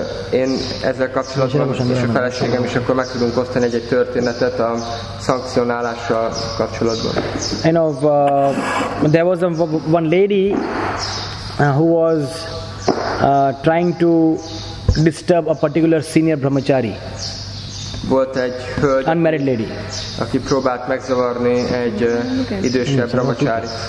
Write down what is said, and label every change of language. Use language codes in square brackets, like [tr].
[hu] Én ezzel kapcsolatban és a feleségem is akkor meg tudunk osztani egy történetet a szankcionálással kapcsolatban. [en] And of there was one lady who was trying to disturb a particular senior brahmachari. [hu] Volt egy hölgy, [en] unmarried lady, [hu] aki próbált megzavarni egy idősebb brahmachari.